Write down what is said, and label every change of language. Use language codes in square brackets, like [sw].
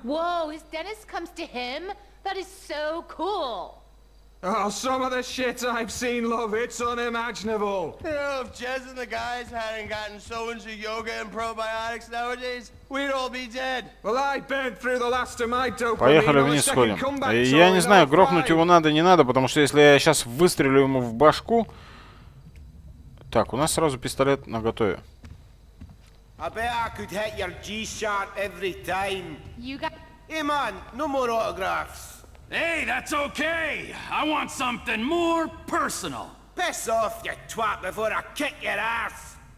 [en] Whoa, his dentist comes to him? That is so cool. Oh, some of the shit I've seen, love, it's unimaginable. You know, if Jez and the guys hadn't gotten so into yoga and probiotics nowadays, we'd all be dead. Well, I burned through the last of my dopamine. [ru] Поехали вниз, сходим. Я не знаю, грохнуть его надо, не надо, потому что если я сейчас выстрелю ему в башку, Так, у нас сразу пистолет наготове. [en] I bet I could hit your G-sharp every time. You got... Hey, man, no more autographs. Hey, that's okay. I want something more personal. Piss off, you twat, before I kick your ass.